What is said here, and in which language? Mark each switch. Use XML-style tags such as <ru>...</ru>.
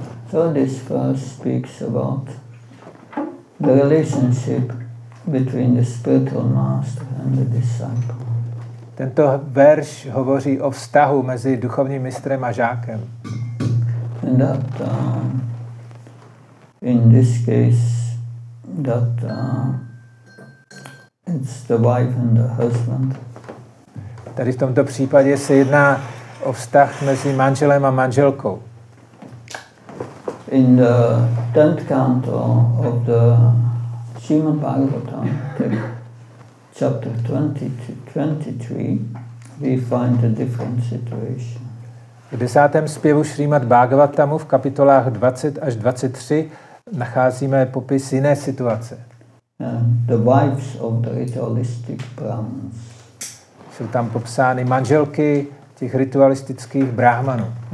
<en>So this verse speaks about the relationship between the spiritual master and the disciple.</en> <cs>Tento verš hovoří o vztahu mezi duchovním mistrem a žákem.</cs> <en>And that in this case that it's the wife and the husband.</en> <cs>Tady v tomto případě se jedná o vztah mezi manželem a manželkou.</cs> <en>In the 10th canto of the Srimad Bhagavatam, chapter 20-23, we find a different situation.</en> <cs>V 10. zpěvu Srimad Bhagavatamu v kapitolách 20-23 nacházíme popis jiné situace.</cs> <en>The wives of the ritualistic Brahmins.</en> <cs>Jsou tam popsány manželky těch ritualistických Brahmanů.</cs>